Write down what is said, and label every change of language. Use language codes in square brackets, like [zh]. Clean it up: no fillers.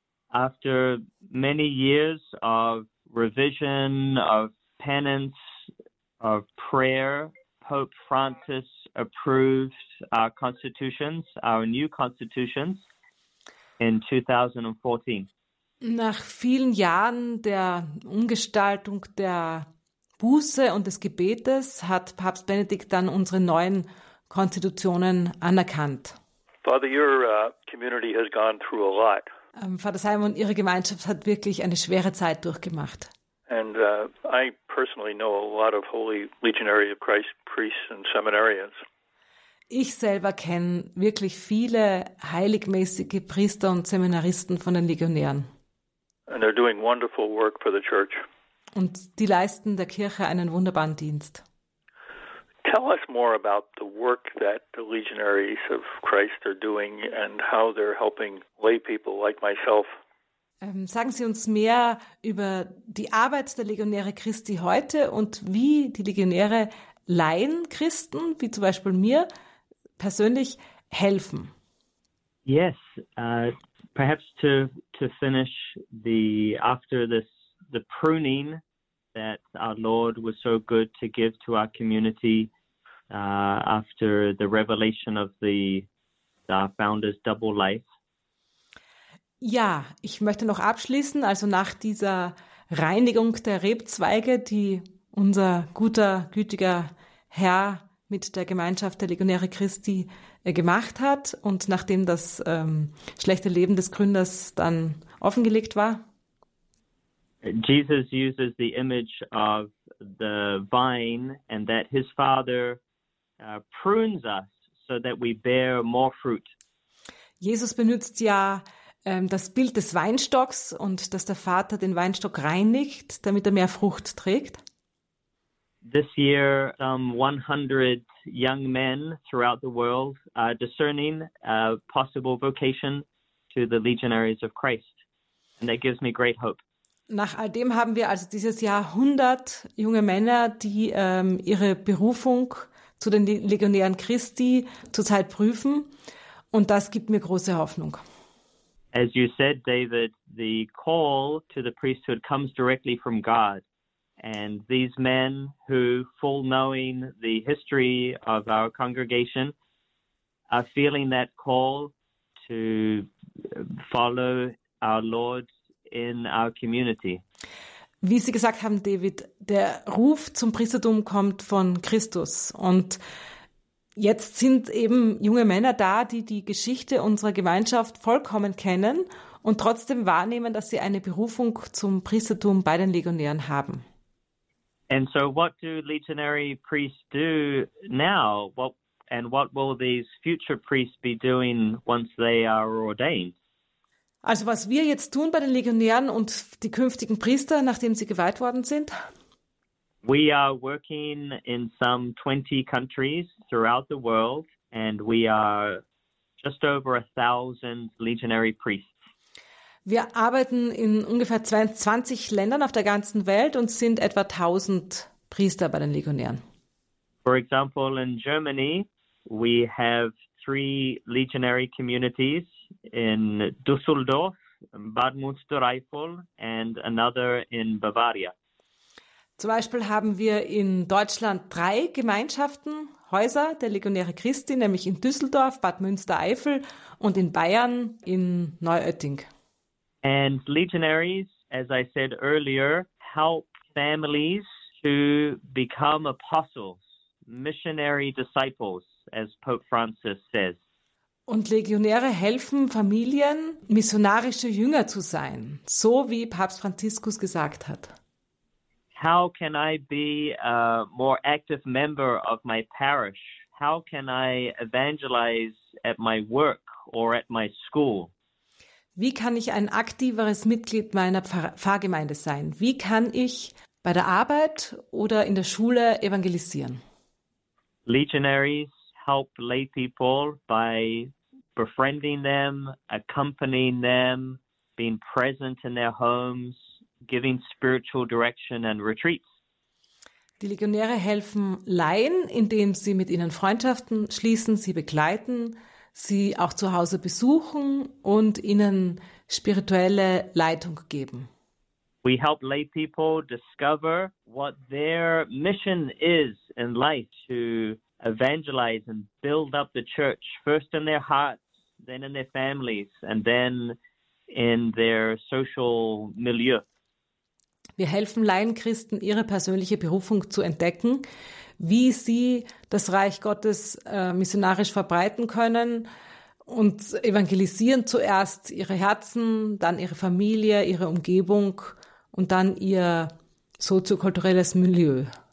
[en] After many years of revision, of penance, of prayer, Pope Francis approved our constitutions, our new constitutions, in 2014. [de] Nach vielen Jahren der Umgestaltung der Buße und des Gebetes hat Papst Benedikt dann unsere neuen Konstitutionen anerkannt. [en] Father, your community has gone through a lot. [de] Vater Simon, Ihre Gemeinschaft hat wirklich eine schwere Zeit durchgemacht. [en] And I personally know a lot of Holy Legionary of Christ priests and seminarians. [de] Ich selber kenne wirklich viele heiligmäßige Priester und Seminaristen von den Legionären. [en] And they're doing wonderful work for the church. [de] Und die leisten der Kirche einen wunderbaren Dienst. [en] Tell us more about the work that the Legionaries of Christ are doing and how they're helping lay people like myself. [de] Sagen Sie uns mehr über die Arbeit der Legionäre Christi heute und wie die Legionäre Laien Christen, wie zum Beispiel mir, persönlich helfen. [en] Yes, perhaps to finish the after this the pruning that our Lord was so good to give to our community after the revelation of the founder's double life. [de] Ja, ich möchte noch abschließen, also nach dieser Reinigung der Rebzweige, die unser guter, gütiger Herr mit der Gemeinschaft der Legionäre Christi gemacht hat und nachdem das schlechte Leben des Gründers dann offengelegt war. [en] Jesus uses the image of the vine and that his father prunes us so that we bear more fruit. [de] Jesus benutzt ja das Bild des Weinstocks und dass der Vater den Weinstock reinigt, damit er mehr Frucht trägt. [en] This year, some 100 young men throughout the world are discerning a possible vocation to the Legionaries of Christ. And that gives me great hope. [de] Nach all dem haben wir also dieses Jahr 100 junge Männer, die ihre Berufung zu den Legionären Christi zurzeit prüfen. Und das gibt mir große Hoffnung. [en] As you said, David, the call to the priesthood comes directly from God. And these men, who full knowing the history of our congregation, are feeling that call to follow our Lord in our community. [de] Wie Sie gesagt haben, David, der Ruf zum Priestertum kommt von Christus. Und jetzt sind eben junge Männer da, die die Geschichte unserer Gemeinschaft vollkommen kennen und trotzdem wahrnehmen, dass sie eine Berufung zum Priestertum bei den Legionären haben. [en] And so what do legionary priests do now? What will these future priests be doing once they are ordained? [de] Also was wir jetzt tun bei den Legionären und die künftigen Priester, nachdem sie geweiht worden sind? [en] We are working in some 20 countries throughout the world and we are just over 1,000 legionary priests. [de] Wir arbeiten in ungefähr 20 Ländern auf der ganzen Welt und sind etwa 1000 Priester bei den Legionären. [en] For example, in Germany, we have 3 legionary communities in Düsseldorf, Bad Münstereifel and another in Bavaria. [de] Zum Beispiel haben wir in Deutschland drei Gemeinschaften, Häuser der Legionäre Christi, nämlich in Düsseldorf, Bad Münstereifel und in Bayern in Neuötting. [en] And legionaries, as I said earlier, help families to become apostles, missionary disciples, as Pope Francis says. [de] Und Legionäre helfen Familien, missionarische Jünger zu sein, so wie Papst Franziskus gesagt hat. [en] How can I be a more active member of my parish? How can I evangelize at my work or at my school? [de] Wie kann ich ein aktiveres Mitglied meiner Pfarrgemeinde sein? Wie kann ich bei der Arbeit oder in der Schule evangelisieren? [en] Legionaries help lay people by befriending them, accompanying them, being present in their homes, giving spiritual direction and retreats. [de] Die Legionäre helfen Laien, indem sie mit ihnen Freundschaften schließen, sie begleiten, sie auch zu Hause besuchen und ihnen spirituelle Leitung geben. [en] We help lay people discover what their mission is in life, to evangelize and build up the church, first in their hearts, then in their families, and then in their social milieu. [de] Wir helfen Laienchristen, ihre persönliche Berufung zu entdecken, wie sie das Reich Gottes missionarisch verbreiten können und evangelisieren zuerst ihre Herzen, dann ihre Familie, ihre Umgebung und dann ihr soziokulturelles Milieu.